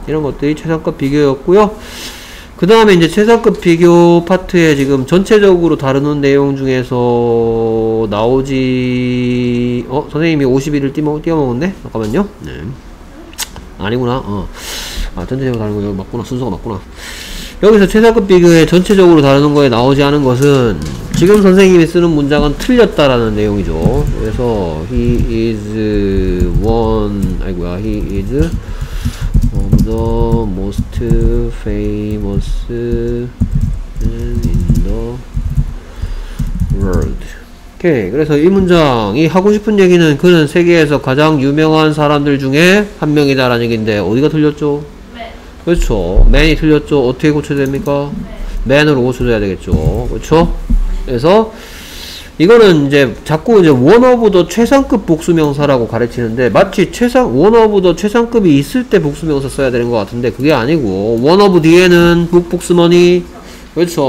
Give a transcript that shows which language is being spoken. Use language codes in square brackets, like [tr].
[ko] 이런 것들이 최상급 비교였고요. 그 다음에 이제 최상급 비교 파트에 지금 전체적으로 다루는 내용 중에서 나오지, 어? 선생님이 51을 띄워먹었네? 잠깐만요. 네. 아니구나. 어. 아, 전체적으로 다루는 거 여기 맞구나. 순서가 맞구나. 여기서 최상급 비교에 전체적으로 다루는 거에 나오지 않은 것은 지금 선생님이 쓰는 문장은 틀렸다라는 내용이죠. 그래서 [en] he is one, [ko] 아이고야, [en] he is of the most famous man in the world. 오케이. [ko] 그래서 이 문장이 하고 싶은 얘기는 그는 세계에서 가장 유명한 사람들 중에 한 명이다라는 얘기인데 어디가 틀렸죠? 그렇죠. 맨이 틀렸죠. 어떻게 고쳐야 됩니까? 맨으로 고쳐줘야 되겠죠. 그렇죠? 그래서 이거는 이제 자꾸 이제 one of the 최상급 복수명사라고 가르치는데 마치 최상 one of the 최상급이 있을 때 복수명사 써야 되는 것 같은데 그게 아니고 one of 뒤에는 book, books, money. 그렇죠.